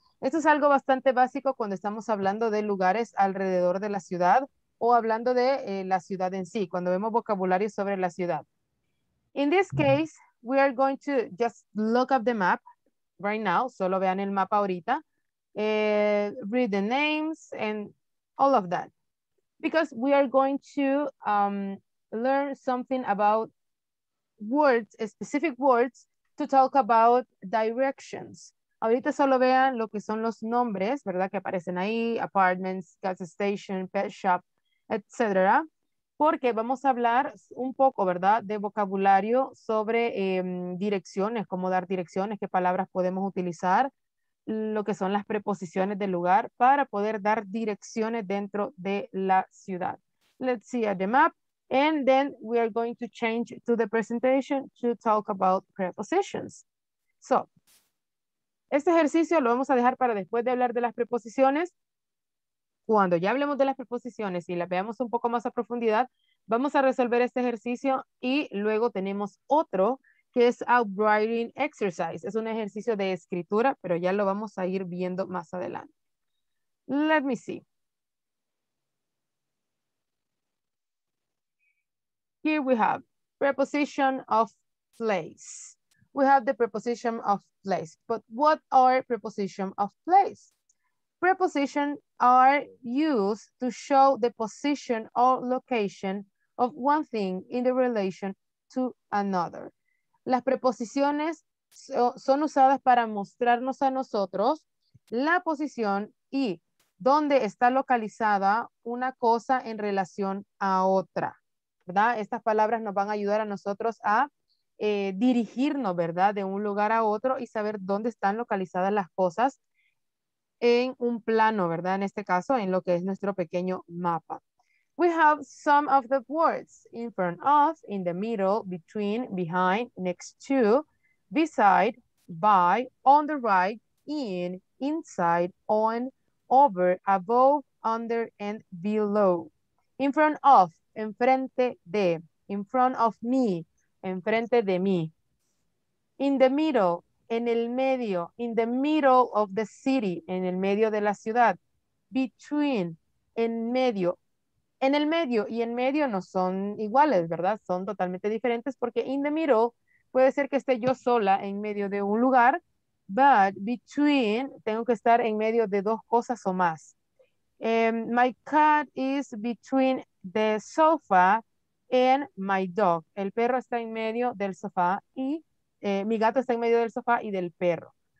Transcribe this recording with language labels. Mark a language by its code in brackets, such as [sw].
[es] Esto es algo bastante básico cuando estamos hablando de lugares alrededor de la ciudad o hablando de la ciudad en sí, cuando vemos vocabulario sobre la ciudad. [en] In this case, we are going to just look up the map right now. [es] Solo vean el mapa ahorita. [en] Read the names and all of that, because we are going to learn something about words, specific words to talk about directions. [es] Ahorita solo vean lo que son los nombres, ¿verdad? Que aparecen ahí, apartments, gas station, pet shop, etc. Porque vamos a hablar un poco, ¿verdad? De vocabulario sobre direcciones, cómo dar direcciones, qué palabras podemos utilizar, lo que son las preposiciones del lugar para poder dar direcciones dentro de la ciudad. [en] Let's see at the map. And then we are going to change to the presentation to talk about prepositions. [es] So, este ejercicio lo vamos a dejar para después de hablar de las preposiciones. Cuando ya hablemos de las preposiciones y las veamos un poco más a profundidad, vamos a resolver este ejercicio y luego tenemos otro que es outwriting exercise. Es un ejercicio de escritura, pero ya lo vamos a ir viendo más adelante. [en] Let me see. Here we have preposition of place. We have the preposition of place. But what are preposition of place? Preposition are used to show the position or location of one thing in the relation to another. [es] Las preposiciones son usadas para mostrarnos a nosotros la posición y dónde está localizada una cosa en relación a otra, ¿verdad? Estas palabras nos van a ayudar a nosotros a dirigirnos, ¿verdad? De un lugar a otro y saber dónde están localizadas las cosas en un plano, ¿verdad? En este caso, en lo que es nuestro pequeño mapa. [en] We have some of the words in front of, in the middle, between, behind, next to, beside, by, on the right, in, inside, on, over, above, under, and below. In front of, [es] enfrente de, [en] in front of me, [es] enfrente de mí. [en] In the middle, [es] en el medio, [en] in the middle of the city, [es] en el medio de la ciudad. Between, en medio. En el medio y en medio no son iguales, ¿verdad? Son totalmente diferentes porque in the middle puede ser que esté yo sola en medio de un lugar, but between tengo que estar en medio de dos cosas o más. [en] My cat is between the sofa and my dog. [es] El perro está en medio del sofá y mi gato está en medio del sofá y del perro.